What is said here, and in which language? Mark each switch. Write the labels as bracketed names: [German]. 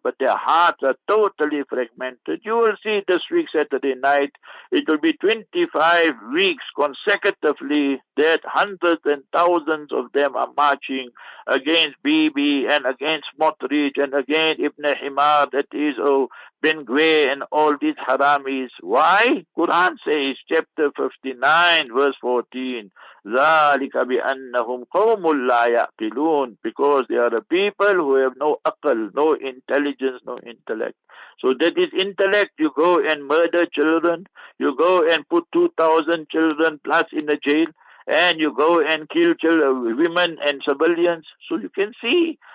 [English] But their hearts are totally fragmented. You will see this week, Saturday night, it will be 25 weeks consecutively that hundreds and thousands of them are marching against Bibi and against Smotrich and against Ibn Himar, that is, oh, Ben Gwey and all these haramis. Why? Quran says, chapter 59, verse 14, [Arabic] ذَلِكَ بِأَنَّهُمْ قَوْمٌ لَا يَعْقِلُونَ. [English] Because they are a people who have no aql, no intelligence, no intellect. So that is intellect. You go and murder children. You go and put 2,000 children plus in a jail. And you go and kill children, women and civilians. So you can see.